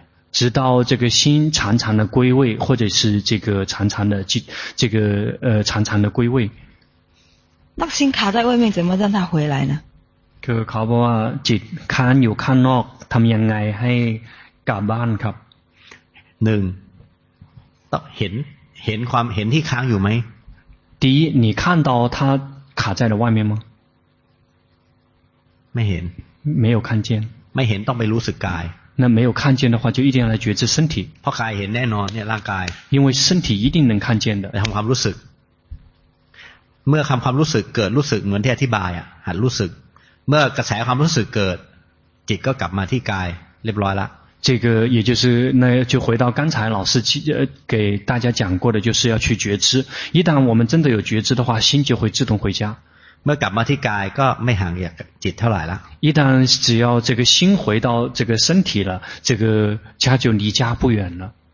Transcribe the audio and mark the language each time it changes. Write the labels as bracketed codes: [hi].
[zh] 直到这个心常常的归位或者是这个常常的这个常常的归位。那心卡在外面怎么让它回来呢 [th] คือเขาบอกว่าจิตค้างอยู่ข้างนอกทำยังไงให้กลับบ้านครับ หนึ่งต้องเห็นความเห็นที่ค้างอยู่ไหม [zh] 第一你看到它卡在了外面吗 [th] ไม่เห็น [zh] 没有看见 [th] ไม่เห็นต้องไปรู้สึกกาย [zh] 那没有看见的话就一定要来觉知身体 [th] เพราะกายเห็นแน่นอนเนี่ยร่างกาย [zh] 因为身体一定能看见的 [th] ทำความรู้สึกเมื่อความรู้สึกเกิดรู้สึกเหมือนที่อธิบายอ่ะหัดรู้สึกเมื่อกระแสความรู้สึกเกิดจิตก็กลับมาที่กายเรียบร้อยละ [zh] 这个也就是那就回到刚才老师给大家讲过的就是要去觉知一旦我们真的有觉知的话心就会自动回家 [th] เมื่อกลับมาที่กายก็ไม่ห่างจิตเท่าไหร่ละ [zh] 一旦只要这个心回到这个身体了这个家就离家不远了